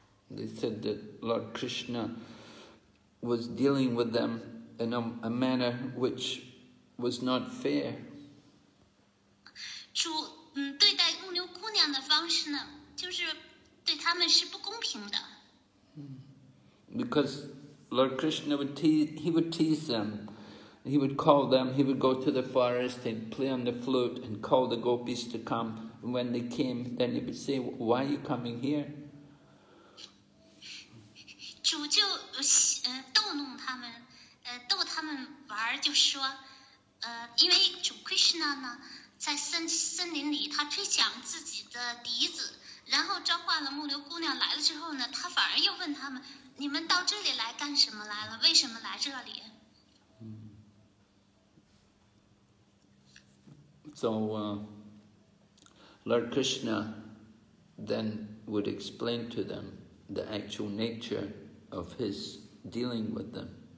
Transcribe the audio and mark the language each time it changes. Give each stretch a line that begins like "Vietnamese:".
English: They said that Lord Krishna was dealing with them in a manner which was not fair.
Chinese: 主对待牧牛姑娘的方式呢，就是对他们是不公平的。
English: Because Lord Krishna would tease, he would tease them. He would call them, he would go to the forest and play on the flute and call the gopis to come. And when they came, then he would say, why are you coming here?
Chinese: 主就逗弄他们，逗他们玩，就说，因为主 Krishna 呢，在森林里，他吹响自己的笛子，然后召唤了牧牛姑娘来了之后呢，他反而又问他们，你们到这里来干什么来了？为什么来这里？
English: So, Lord Krishna then would explain to them the actual nature of his dealing with them.